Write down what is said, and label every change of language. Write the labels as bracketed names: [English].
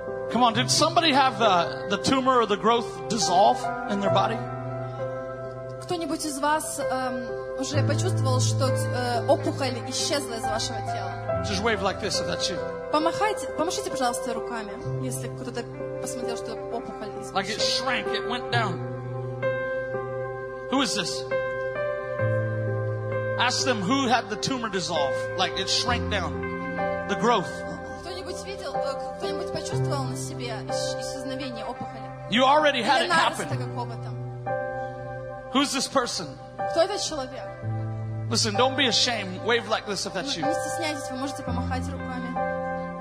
[English] Come on, did somebody have the tumor or the growth dissolve in their body? [Russian] Кто-нибудь из вас уже почувствовал, что опухоль исчезла из вашего тела? [English] Just wave like this if that's you. [Russian] Помашите, пожалуйста, руками, если кто-то посмотрел, что опухоль исчезла. [English] Like it shrank, it went down. Who is this? Ask them who had the tumor dissolve, like it shrank down, the growth. [Russian] Кто-нибудь видел, кто-нибудь почувствовал на себе исчезновение опухоли? [English] You already had it happen. [Russian] Какого-то. [English] Who's this person? [Russian] Кто этот человек? [English] Listen, don't be ashamed. Wave like this if that's you. [Russian] Не стесняйтесь, вы можете помахать руками.